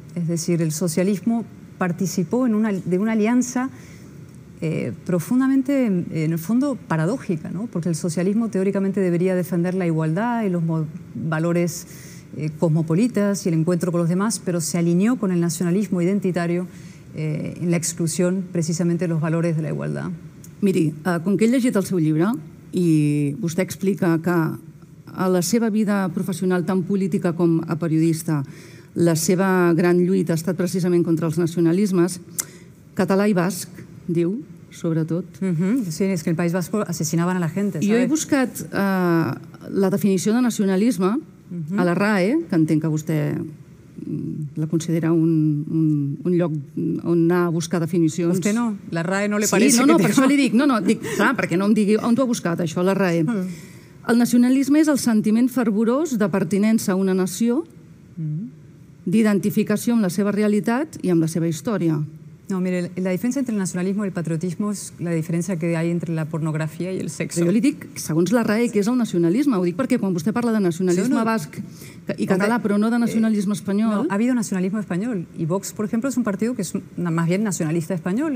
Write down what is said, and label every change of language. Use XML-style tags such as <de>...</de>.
<es>Es decir, el socialismo participó de una alianza profundamente, en el fondo, paradójica, ¿no? Porque el socialismo teóricamente debería defender la igualdad y los valores cosmopolitas y el encuentro con los demás, pero se alineó con el nacionalismo identitario en la exclusión, precisamente, de los valores de la igualdad.</es> <ca>Miri, com que he llegit el seu llibre i vostè explica que a la seva vida professional, tant política com a periodista, la seva gran lluita ha estat precisament contra els nacionalismes, català i basc, diu, sobretot. Sí, és que el País Vasco assassinaven a la gent. Jo he buscat la definició de nacionalisme a la RAE, que entenc que vostè la considera un lloc on anar a buscar definicions. Vostè no, la RAE no li pareix. Sí, no, per això li dic, clar, perquè no em digui on ho ha buscat, això, la RAE. El nacionalisme és el sentiment fervorós de pertinença a una nació, d'identificació amb la seva realitat i amb la seva història.</ca> <es>No, mire, la diferencia entre el nacionalismo y el patriotismo es la diferencia que hay entre la pornografía y el sexo. Yo le digo, según la RAE, que es el nacionalismo. Lo digo porque cuando usted habla de nacionalismo vasco y catalán, pero no de nacionalismo español... No, ha habido nacionalismo español. Y Vox, por ejemplo, es un partido que es más bien nacionalista español.</es>